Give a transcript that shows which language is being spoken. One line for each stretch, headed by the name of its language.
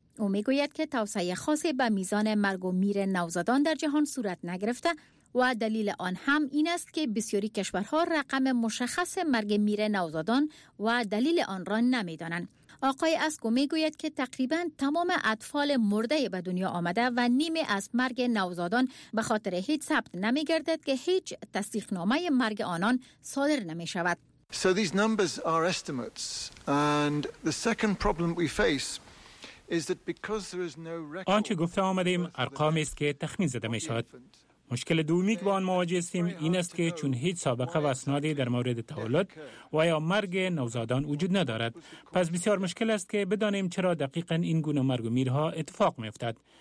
Persian: او میگوید که توسعه خاصی به میزان مرگ و میر نوزادان در جهان صورت نگرفته و دلیل آن هم این است که بسیاری کشورها رقم مشخص مرگ میر نوزادان و دلیل آن را نمیدانند. آقای اسکو میگوید که تقریبا تمام اطفال مرده به دنیا آمده و نیمه از مرگ نوزادان به خاطر هیچ ثبت نمیگردد که هیچ تصدیق نامه مرگ آنان صادر نمی شود.
English: So these numbers are estimates and the second problem we face is that because there is no record.
Persian: آنچه گفته آمدیم ارقامی است که تخمین زده می شود. مشکل دومی که با آن مواجه هستیم این است که چون هیچ سابقه و اسنادی در مورد تولد و یا مرگ نوزادان وجود ندارد، پس بسیار مشکل است که بدانیم چرا دقیقاً این گونه مرگ و میرها اتفاق می‌افتد.